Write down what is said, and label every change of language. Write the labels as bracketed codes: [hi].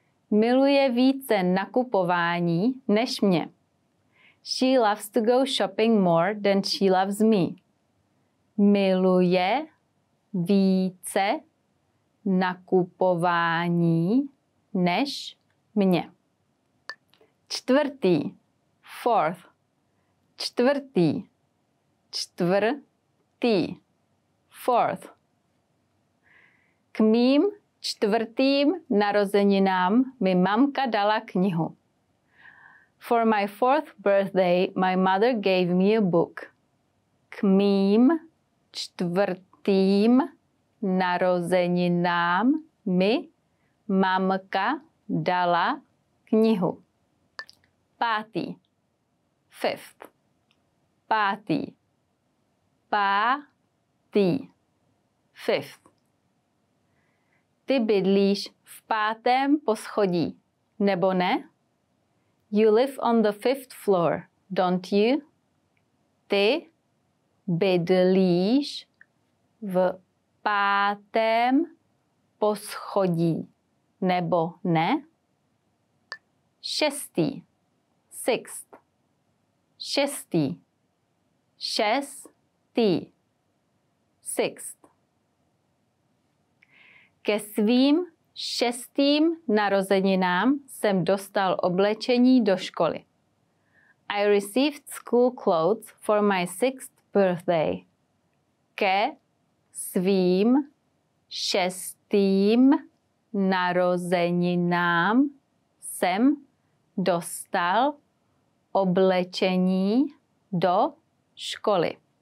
[cs] Miluje více nakupování než mě. [en] She loves to go shopping more than she loves me. [cs] Miluje více nakupování než mě. Čtvrtý. [en] Fourth. [cs] Čtvrtý. Čtvrtý. [en] Fourth. [cs] K mým čtvrtým narozeninám mi mamka dala knihu. [en] For my fourth birthday, my mother gave me a book. [cs] K mým čtvrtým narozeninám mi mamka dala knihu. Pátý. [en] Fifth. [cs] Pátý. Pátý. [en] Fifth. [cs] Ty bydlíš v pátém poschodí, nebo ne? [en] You live on the fifth floor, don't you? [cs] Ty bydlíš v pátém poschodí, nebo ne? Šestý. [en] Sixth. [cs] Šestý. Šestý. [en] Sixth. [cs] Ke svým šestým narozeninám jsem dostal oblečení do školy. [en] I received school clothes for my sixth birthday. [cs] Ke svým šestým narozeninám jsem dostal oblečení do školy.